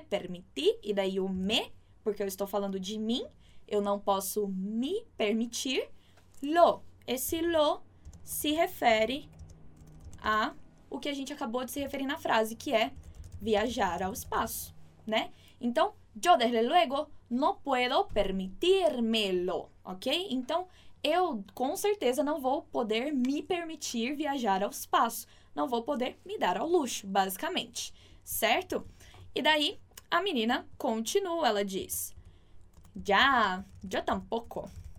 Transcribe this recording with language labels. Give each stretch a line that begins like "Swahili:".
Portuguese: Permitir, e daí o me, porque eu estou falando de mim, eu não posso me permitir. Lo, esse lo se refere a o que a gente acabou de se referir na frase, que é viajar ao espaço, né?
Spanish: Então, yo desde luego no puedo permitírmelo, ok?
Portuguese: Então, eu com certeza não vou poder me permitir viajar ao espaço. Não vou poder me dar ao luxo, basicamente, certo? E daí, a menina continua, ela diz,
Spanish: yo tampoco.